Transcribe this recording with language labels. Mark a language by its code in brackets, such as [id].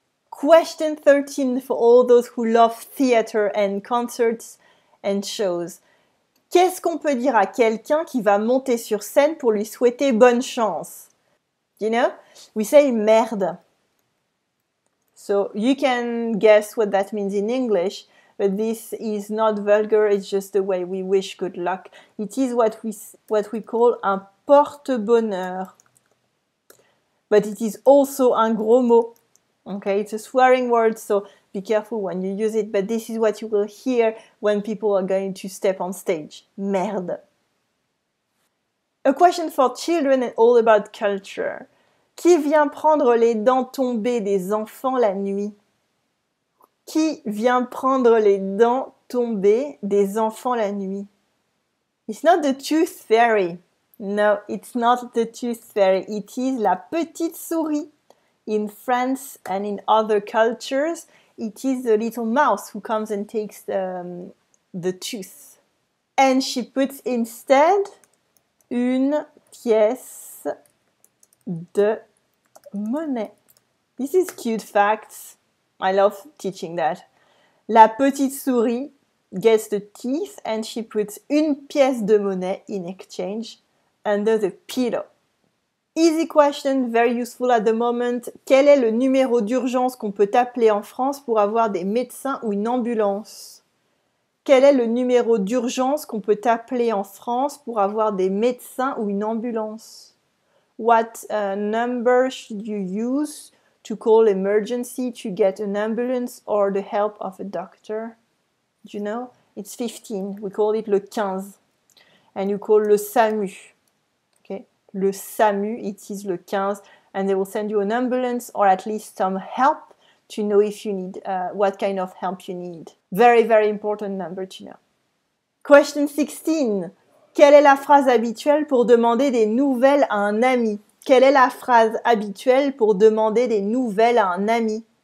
[en] Question 13 for all those who love theater and concerts and shows. [fr] Qu'est-ce qu'on peut dire à quelqu'un qui va monter sur scène pour lui souhaiter bonne chance? [en] You know, we say merde. So you can guess what that means in English. But this is not vulgar, it's just the way we wish good luck. It is what we call un porte-bonheur. But it is also un gros mot. Okay, it's a swearing word, so be careful when you use it. But this is what you will hear when people are going to step on stage. Merde. A question for children and all about culture. [fr] Qui vient prendre les dents tombées des enfants la nuit? Qui vient prendre les dents tombées des enfants la nuit? [en] It's not the tooth fairy. No, it's not the tooth fairy. It is [fr] la petite souris. [en] In France and in other cultures, it is the little mouse who comes and takes the tooth. And she puts instead [fr] une pièce de monnaie. [en] This is cute facts. I love teaching that. La petite souris gets the teeth and she puts [fr] une pièce de monnaie [en] in exchange under the pillow. Easy question, very useful at the moment. [fr] Quel est le numéro d'urgence qu'on peut appeler en France pour avoir des médecins ou une ambulance? Quel est le numéro d'urgence qu'on peut appeler en France pour avoir des médecins ou une ambulance? [en] What number should you use to call emergency to get an ambulance or the help of a doctor? Do you know? It's 15. We call it le 15. And you call le SAMU. Okay? Le SAMU, it is le 15. And they will send you an ambulance or at least some help to know if you need what kind of help you need. Very, very important number to know. Question 16. [fr] Quelle est la phrase habituelle pour demander des nouvelles à un ami? Quelle est la phrase habituelle pour demander des nouvelles à un ami?